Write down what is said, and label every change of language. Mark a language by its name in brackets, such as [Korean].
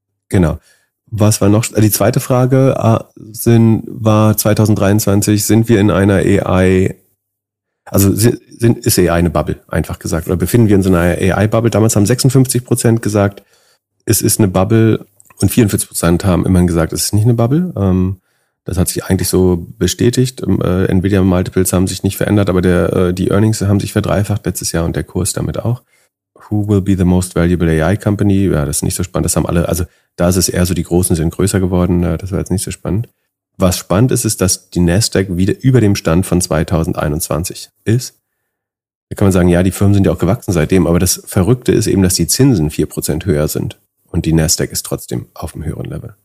[German] Genau. Was war noch? Die zweite Frage war 2023, sind wir in einer AI, also ist AI eine Bubble, einfach gesagt, oder befinden wir uns in einer AI-Bubble? Damals haben 56% gesagt, es ist eine Bubble, und 44% haben immerhin gesagt, es ist nicht eine Bubble. Das hat sich eigentlich so bestätigt. Nvidia Multiples haben sich nicht verändert, aber die Earnings haben sich verdreifacht letztes Jahr und der Kurs damit auch. [English] Who will be the most valuable AI company? [German] Ja, das ist nicht so spannend. Das haben alle, also da ist es eher so, die Großen sind größer geworden. Das war jetzt nicht so spannend. Was spannend ist, ist, dass die Nasdaq wieder über dem Stand von 2021 ist. Da kann man sagen, ja, die Firmen sind ja auch gewachsen seitdem, aber das Verrückte ist eben, dass die Zinsen 4% höher sind und die Nasdaq ist trotzdem auf dem höheren Level.